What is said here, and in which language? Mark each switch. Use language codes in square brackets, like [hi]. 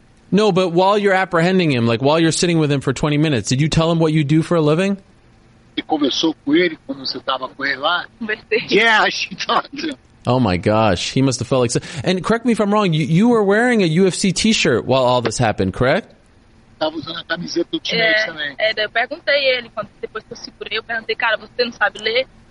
[en] No, but while you're apprehending him, like while you're sitting with him for 20 minutes, did you tell him what you do for a living? [pt] Você conversou com ele quando você tava com ele lá? Conversei. [en] Yeah, she talked to him. Oh my gosh, he must have felt like... And correct me if I'm wrong, you were wearing a UFC t-shirt while all this happened, correct? [pt] Tava usando a camiseta do time também. Daí eu perguntei ele, quando depois que eu segurei, eu perguntei, cara, você não sabe ler?